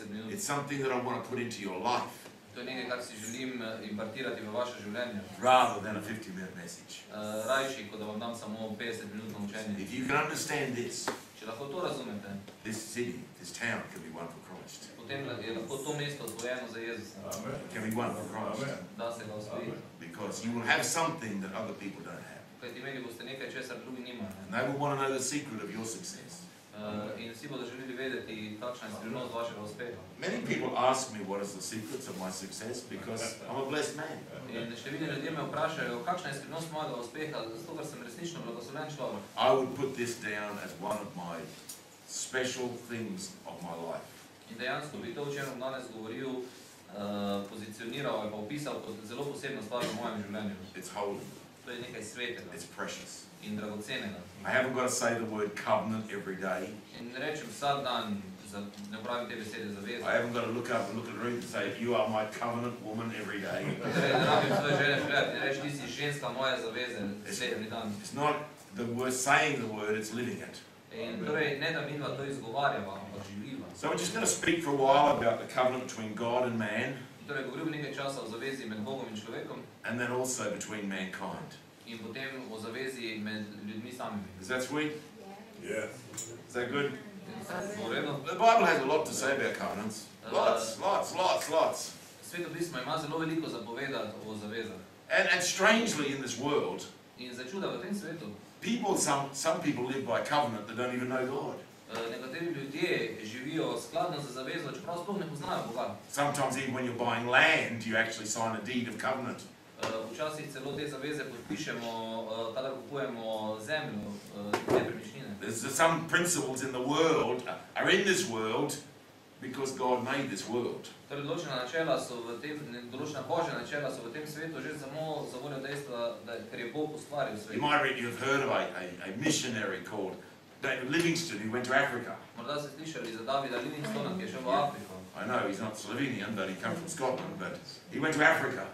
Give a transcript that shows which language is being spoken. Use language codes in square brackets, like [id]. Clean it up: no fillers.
[en] It's something that I want to put into your life. [sl] To je nekaj, kar si želim impartirati v vaše življenje. [en] Rather than a 50-minute message. [sl] Rajši, kot da vam dam samo 50-minutno učenje. [en] If you can understand this, [sl] če lahko to razumete, [en] this city, this town can be one for Christ. [sl] Potem je lahko to mesto osvojeno za Jezusa. [en] Amen. Can be one for Christ. [sl] Amen. Da se ga osvoji. [en] Because you will have something that other people don't have. [sl] Kajti imeli boste nekaj, česar drugi nima. [en] And they will want to know the secret of your success. [sl] In vsi bodo želeli vedeti, kakšna je skrivnost vašega uspeha. [en] Many people ask me what is the secret of my success because I'm a blessed man. [sl] In številni ljudje me vprašajo, kakšna je skrivnost mojega uspeha, zato ker sem resnično blagoslovljen človek. [en] I would put this down as one of my special things of my life. [sl] In dejansko bi to, o čemu danes govoril, pozicioniral ali pa opisal kot zelo posebno stvar v mojem življenju. [en] It's holy. [sl] To je nekaj svetega. [en] It's precious. [sl] In dragocenega. [en] I haven't got to say the word covenant every day. [sl] In rečem vsak dan, ne pravim te besede zaveza. [en] I haven't got to look up and look at Ruth and say, you are my covenant woman every day. [sl] Reči, ti si ženska moja zaveza vsedni dan. [en] It's not the word saying the word, it's living it. [sl] In torej, ne da midva to izgovarjava, ampak živiva. [en] So I'm just going to speak for a while about the covenant between God and man. [sl] Torej, govorim nekaj časa o zavezi med Bogom in človekom. [en] And then also between mankind. [sl] In potem o zavezi med ljudmi samimi. [en] Is that sweet? Yeah. Is that good? Yeah. The Bible has a lot to say about covenants. Lots. [sl] Sveto pismo ima zelo veliko zapovedati o zavezah. [en] And strangely in this world, [sl] in za čuda v tem svetu, [en] people, some people live by covenant that don't even know God. [sl] Nekateri ljudje živijo skladno za zavezo, čeprav sploh ne poznajo Boga. [en] Sometimes even when you're buying land, you actually sign a deed of covenant. [sl] Včasih celo te zaveze podpišemo, kadar kupujemo zemljo, nepremičnine. [en] There's some principles in the world, are in this world, because God made this world. [sl] Torej, določena načela so v tem, določena Božja načela so v tem svetu že samo za voljo dejstva, ker je Bog ustvaril svet. [en] You might read, you've heard of a missionary called David Livingstone, who went to Africa. [sl] Morda ste slišali za Davida Livingstona, ki je šel v Afriko. [en] I know he's not Slovenian, but he came from Scotland, but he went to Africa.